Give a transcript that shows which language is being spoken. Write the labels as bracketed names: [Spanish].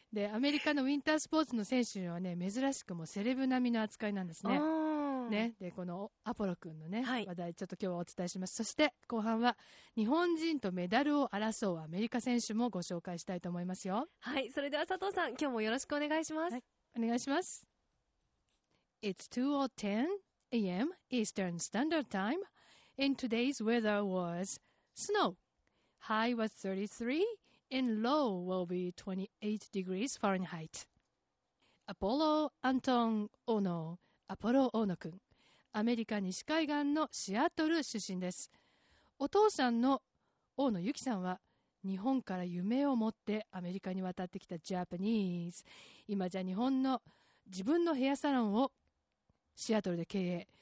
[Japanese] で、アメリカのウィンタースポーツの選手はね、珍しくもセレブ並みの扱いなんですね。ね、でこのアポロ君のね、はい、話題ちょっと今日はお伝えします。そして後半は日本人とメダルを争うアメリカ選手もご紹介したいと思いますよ。はい、それでは佐藤さん、今日もよろしくお願いします。はい、お願いします。 [English] It's 2:10 AM Eastern Standard Time. In today's weather was snow. High was 33 and low will be 28 degrees Fahrenheit. [Japanese] Apollo Anton Ono、アポロ・オーノ君、アメリカ西海岸のシアトル出身です。お父さんの大野由紀さんは、日本から夢を持ってアメリカに渡ってきたジャパニーズ。今じゃ日本の自分のヘアサロンをシアトルで経営。